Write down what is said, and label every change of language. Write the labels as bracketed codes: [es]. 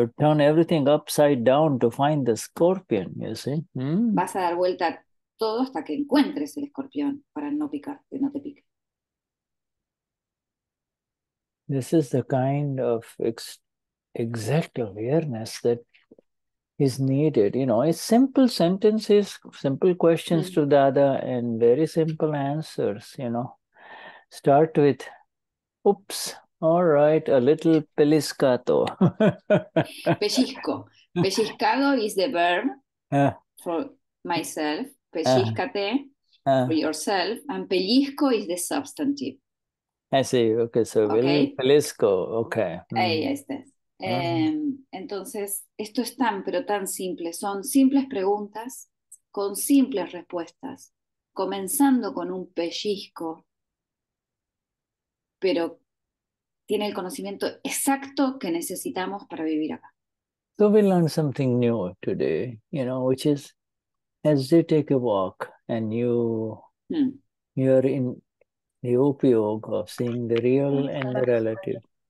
[en] You turn everything upside down to find the scorpion, you see. [es] Vas a dar vuelta todo hasta que encuentres el escorpión para no picar, que no te pique. [en] This is the kind of exact awareness that is needed, you know. It's simple sentences, simple questions to Dada, and very simple answers, you know. Start with, oops, all right, a little pellizcato. Pellizco. Pellizcado is the verb for myself. Pellizcate for yourself. And pellizco is the substantive. I see, okay, so okay. Little pellizco, okay. [es] Ahí estás. Entonces, esto es tan, pero tan simple. Son simples preguntas con simples respuestas, comenzando con un pellizco, pero tiene el conocimiento exacto que necesitamos para vivir acá. [en] So we learn something new today, you know, which is, as you take a walk and you're in the Upayoga of seeing the real and the relative.